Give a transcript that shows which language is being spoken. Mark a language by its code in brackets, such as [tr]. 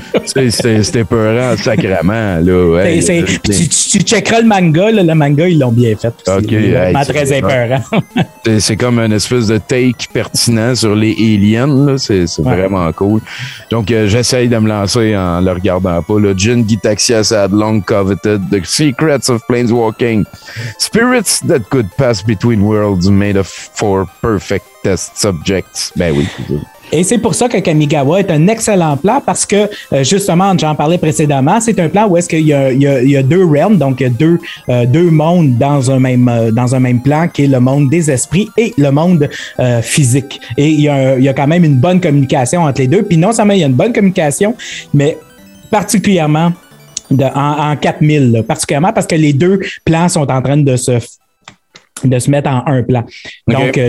[fr] C'est épeurant, sacrément, là. Hey, tu checkeras le manga, là. Le manga, ils l'ont bien fait. [en] Okay, [fr] c'est vraiment très épeurant. C'est comme une espèce de take pertinent sur les aliens, là. C'est ouais. Vraiment cool. Donc, j'essaye de me lancer en le regardant pas, là. [en] Jin Gitaxias had long coveted the secrets of planeswalking. Spirits that could pass between worlds made of four perfect test subjects. [fr] Ben oui. Et c'est pour ça que Kamigawa est un excellent plan parce que, justement, j'en parlais précédemment, c'est un plan où est-ce qu'il y a deux realms, donc il y a deux mondes dans un même plan qui est le monde des esprits et le monde physique. Et il y a quand même une bonne communication entre les deux. Puis non seulement il y a une bonne communication, mais particulièrement en 4000, là, particulièrement parce que les deux plans sont en train de se mettre en un plan. Donc, okay.